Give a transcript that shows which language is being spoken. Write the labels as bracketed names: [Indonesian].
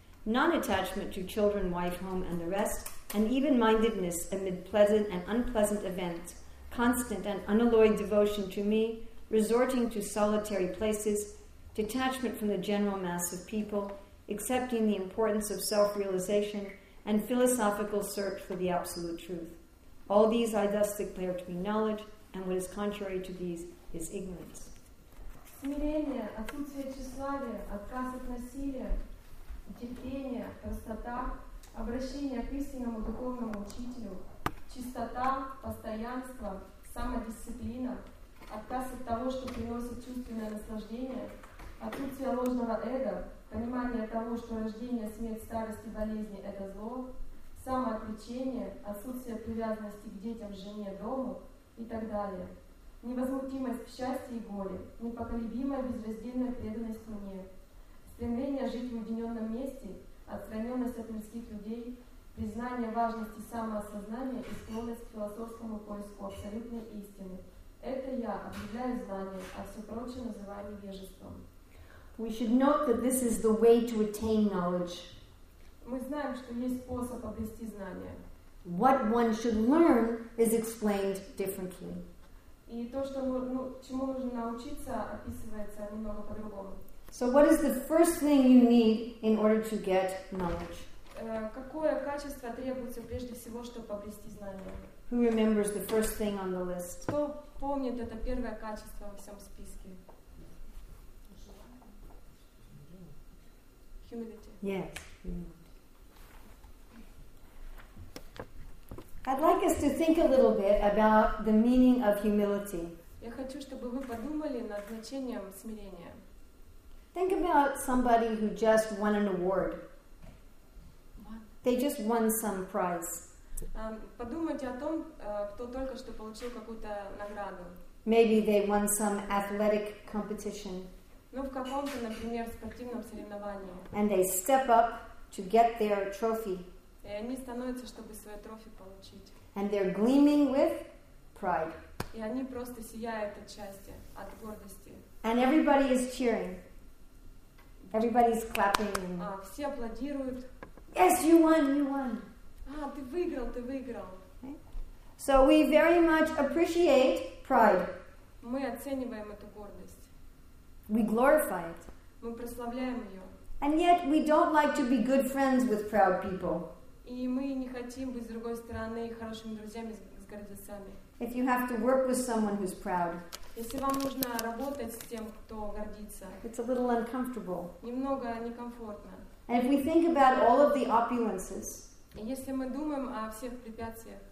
[English] non-attachment to children, wife, home, and the rest, and even-mindedness amid pleasant and unpleasant events, constant and unalloyed devotion to me, resorting to solitary places, detachment from the general mass of people, accepting the importance of self-realization, and philosophical search for the absolute truth. All these I thus declare to be knowledge, and what is contrary to these is ignorance. [Russian] Смирение, отсутствие тщеславия, отказ от насилия, терпение, простота, обращение к истинному духовному учителю, чистота, постоянство, самодисциплина, отказ от того, что приносит чувственное наслаждение, отсутствие ложного эго, понимание того, что рождение, смерть, старость и болезни – это зло, самоотречение, отсутствие привязанности к детям, жене, дому и так далее, невозмутимость в счастье и горе, непоколебимая безраздельная преданность мне, стремление жить в уединенном месте, отстраненность от мирских людей, признание важности самоосознания и склонность к философскому поиску абсолютной истины. Это я объявляю знание, а все прочее называю невежеством. [English] We should note that this is the way to attain knowledge. [Russian] Мы знаем, что есть способ обрести знания. [English] What one should learn is explained differently. [Russian] И то, что, чему нужно научиться, описывается немного по-другому. [English] So what is the first thing you need in order to get knowledge? [Russian] Какое качество требуется прежде всего, чтобы обрести знания? [English] Who remembers the first thing on the list? [Russian] Кто помнит это первое качество во всем списке? [English] Humility. Yes. I'd like us to think a little bit about the meaning of humility. [Russian] Я хочу, чтобы вы подумали над значением смирения. [English] Think about somebody who just won an award. They just won some prize. [Russian] Подумайте о том, кто только что получил какую-то награду. [English] Maybe they won some athletic competition. [Russian] Ну, в каком-то, например, спортивном соревновании. [English] And they step up to get their trophy. [Russian] И они становятся, чтобы свой трофей получить. [English] And they're gleaming with pride. [Russian] И они просто сияют от счастья, от гордости. [English] And everybody is cheering. Everybody's clapping. [Russian] Все аплодируют. [English] Yes, you won, you won. [Russian] Ты выиграл, ты выиграл. [English] So we very much appreciate pride. [Russian] Мы оцениваем эту гордость. [English] We glorify it. [Russian] Мы прославляем ее. [English] And yet we don't like to be good friends with proud people. [Russian] И мы не хотим быть с другой стороны хорошими друзьями с гордецами. [English] If you have to work with someone who's proud. [Russian] Если вам нужно работать с тем, кто гордится. [English] It's a little uncomfortable. [Russian] Немного некомфортно. [English] And if we think about all of the opulences. [Russian] Если мы думаем о всех препятствиях.